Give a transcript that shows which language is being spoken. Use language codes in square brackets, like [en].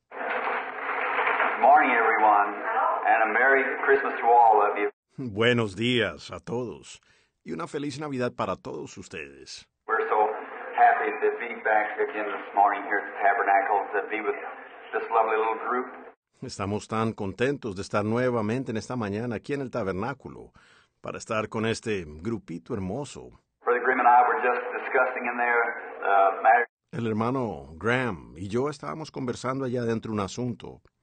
[en] Good morning, everyone, and a Merry Christmas to all of you. [es] Buenos días a todos y una feliz Navidad para todos ustedes. [en] We're so happy to be back again this morning here at the Tabernacle to be with this lovely little group. [es] Estamos tan contentos de estar nuevamente en esta mañana aquí en el Tabernáculo para estar con este grupito hermoso. [en] Brother Graham and I were just discussing in there matters. [es] El hermano Graham y yo estábamos conversando allá adentro un asunto.